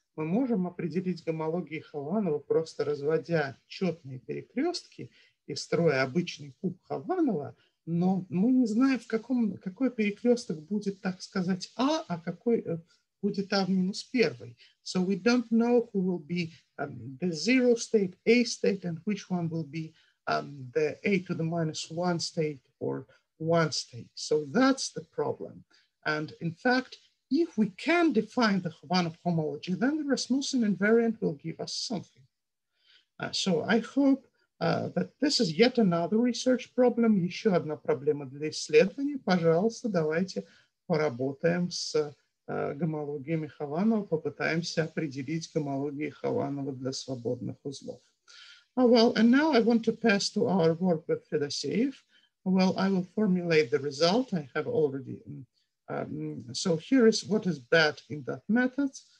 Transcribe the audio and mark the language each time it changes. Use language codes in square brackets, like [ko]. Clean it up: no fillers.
[ru] Мы можем определить гомологии Хованова, просто разводя четные перекрестки и строя обычный куб Хованова, но мы не знаем, какой перекресток будет, так сказать, А, а какой будет А в минус первый. [en] So we don't know who will be the zero state, A state, and which one will be the A to the minus one state or one state. So that's the problem. And in fact, if we can define the Hovanov homology, then the Rasmussen invariant will give us something. So I hope that this is yet another research problem. [ru] Еще одна проблема для исследования. Пожалуйста, давайте поработаем с гомологиями Хованова, попытаемся определить гомологии Хованова для свободных узлов. [en] Oh, well, and now I want to pass to our work with Fedoseev. Well, I will formulate the result. I have already. So here is what is bad in that method.